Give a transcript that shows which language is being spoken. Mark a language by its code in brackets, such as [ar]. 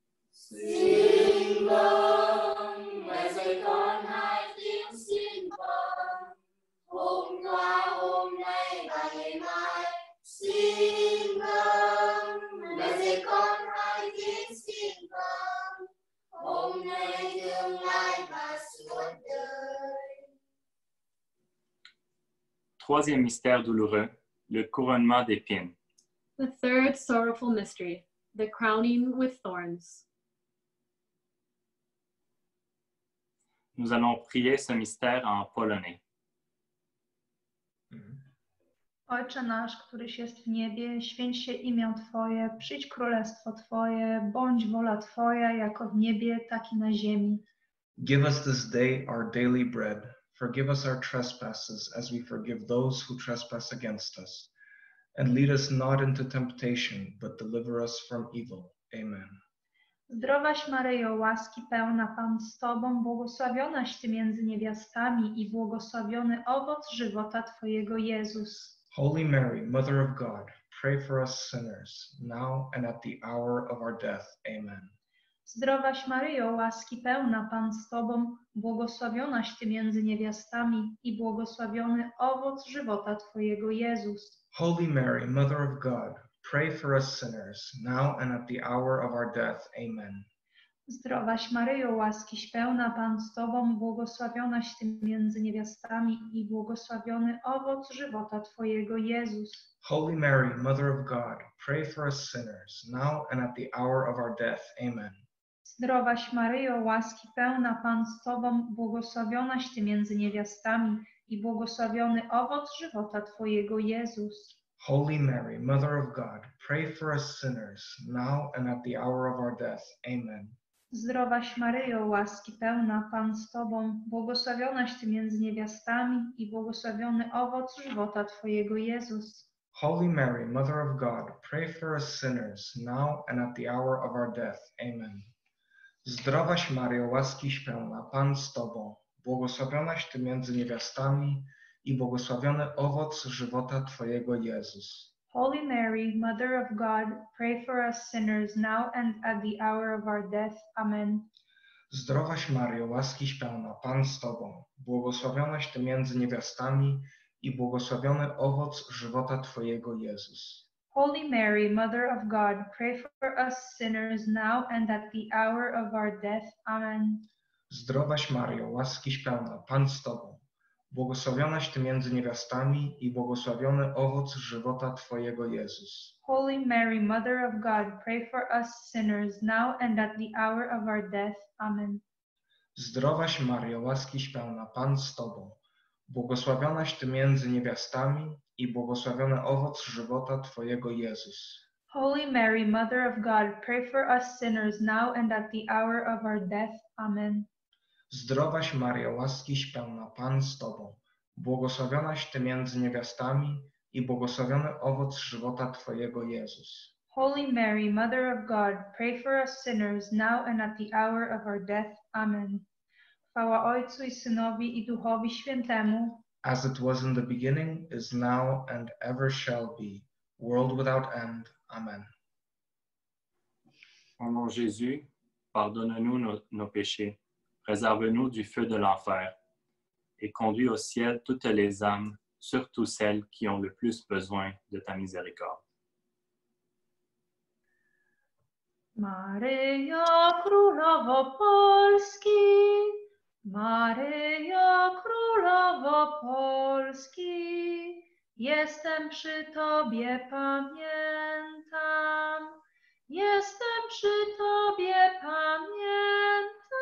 [en] Sing long, raise it on high, sing long, om la, om la, ba, ma, sing long. Raise it on high, sing long. [vi] Hôm nay tương lai và suốt đời. [fr] Troisième mystère douloureux, le couronnement d'épines. [en] The third sorrowful mystery, the crowning with thorns. [fr] Nous allons prier ce mystère en polonais. [pl] Ojcze nasz, któryś jest w niebie, święć się imię Twoje, przyjdź królestwo Twoje, bądź wola Twoja, jako w niebie, tak i na ziemi. [en] Give us this day our daily bread. Forgive us our trespasses, as we forgive those who trespass against us. And lead us not into temptation, but deliver us from evil. Amen. [pl] Zdrowaś Maryjo, łaski pełna, Pan z Tobą, błogosławionaś Ty między niewiastami i błogosławiony owoc żywota Twojego, Jezus. [en] Holy Mary, Mother of God, pray for us sinners, now and at the hour of our death. Amen. [pl] Zdrowaś Maryjo, łaski pełna, Pan z Tobą, błogosławionaś Ty między niewiastami i błogosławiony owoc żywota Twojego, Jezus. [en] Holy Mary, Mother of God, pray for us sinners, now and at the hour of our death. Amen. [pl] Zdrowaś Maryjo, łaskiś pełna, Pan z Tobą, błogosławionaś Ty między niewiastami i błogosławiony owoc żywota Twojego, Jezus. [en] Holy Mary, Mother of God, pray for us sinners, now and at the hour of our death. Amen. [pl] Zdrowaś Maryjo, łaski pełna, Pan z Tobą, błogosławionaś Ty między niewiastami i błogosławiony owoc żywota Twojego, Jezus. [en] Holy Mary, Mother of God, pray for us sinners, now and at the hour of our death. Amen. [pl] Zdrowaś Maryjo, łaski pełna, Pan z Tobą, błogosławionaś Ty między niewiastami i błogosławiony owoc żywota Twojego, Jezus. [en] Holy Mary, Mother of God, pray for us sinners, now and at the hour of our death. Amen. [pl] Zdrowaś Maryjo, łaskiś pełna, Pan z Tobą, błogosławionaś Ty między niewiastami i błogosławiony owoc żywota Twojego, Jezus. [en] Holy Mary, Mother of God, pray for us sinners, now and at the hour of our death. Amen. [pl] Zdrowaś Maryjo, łaskiś pełna, Pan z Tobą, błogosławionaś Ty między niewiastami i błogosławiony owoc żywota Twojego, Jezus. [en] Holy Mary, Mother of God, pray for us sinners, now and at the hour of our death. Amen. [pl] Zdrowaś Maryjo, łaskiś pełna, Pan z Tobą, błogosławionaś Ty między niewiastami i błogosławiony owoc żywota Twojego, Jezus. [en] Holy Mary, Mother of God, pray for us sinners, now and at the hour of our death. Amen. [pl] Zdrowaś Maryjo, łaskiś pełna, Pan z Tobą, błogosławionaś Ty między niewiastami i błogosławiony owoc żywota Twojego, Jezus. [en] Holy Mary, Mother of God, pray for us sinners, now and at the hour of our death. Amen. [pl] Zdrowaś Maryjo, łaskiś pełna, Pan z Tobą, błogosławionaś Ty między niewiastami i błogosławiony owoc żywota Twojego, Jezus. [en] Holy Mary, Mother of God, pray for us sinners, now and at the hour of our death. Amen. [pl] Chwała Ojcu i Synowi i Duchowi Świętemu. [en] As it was in the beginning, is now, and ever shall be, world without end. Amen. [fr] Ô mon Jésus, pardonne-nous nos péchés. Préserve-nous du feu de l'enfer et conduis au ciel toutes les âmes, surtout celles qui ont le plus besoin de ta miséricorde. [pl] Maryjo Królowo Polski, Maryjo Królowo Polski, jestem przy Tobie, pamiętam, jestem przy Tobie, pamiętam.